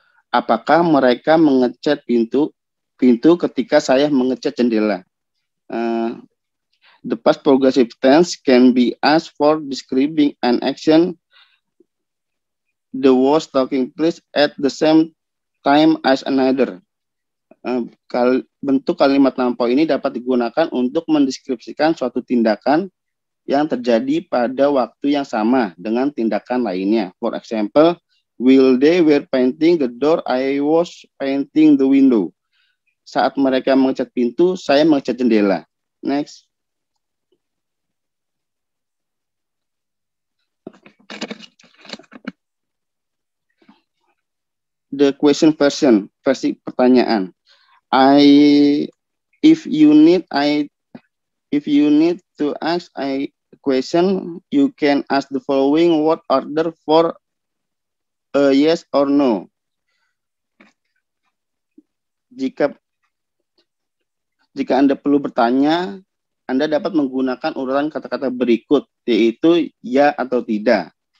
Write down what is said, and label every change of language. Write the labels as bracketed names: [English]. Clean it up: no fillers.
[Indonesian] Apakah mereka mengecat pintu ketika saya mengecat jendela? [English] The past progressive tense can be asked for describing an action that was taking place at the same time as another. [Indonesian] Bentuk kalimat lampau ini dapat digunakan untuk mendeskripsikan suatu tindakan yang terjadi pada waktu yang sama dengan tindakan lainnya. [English] For example, while they were painting the door, I was painting the window. [Indonesian] Saat mereka mengecat pintu, saya mengecat jendela. Next. [English] The question version, [Indonesian] versi pertanyaan. [English] If you need to ask a question, you can ask the following word order for a yes or no. [Indonesian] Jika Anda perlu bertanya, Anda dapat menggunakan urutan kata-kata berikut, yaitu ya atau tidak.